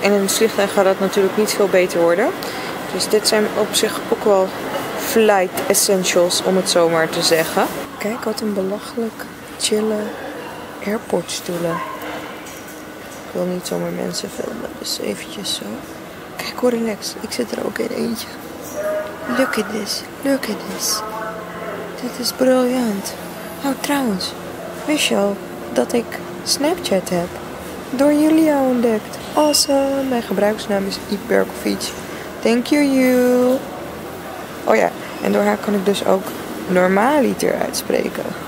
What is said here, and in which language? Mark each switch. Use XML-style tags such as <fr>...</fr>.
<nl>En in het vliegtuig gaat dat natuurlijk niet veel beter worden. Dus dit zijn op zich ook wel flight essentials, om het zomaar te zeggen. Kijk wat een belachelijk chille airportstoelen. Ik wil niet zomaar mensen filmen, dus eventjes zo. Kijk hoe relaxed, ik zit er ook in eentje.</nl> <en>Look at this, look at this.</en> <nl>Dit is briljant. Oh, trouwens, wist je al dat ik Snapchat heb? Door Julia ontdekt. Awesome, mijn gebruikersnaam is Iperkovic.</nl> <en>Thank you, you.</en> <nl>Oh ja, en door haar kan ik dus ook normaliter uitspreken.</nl>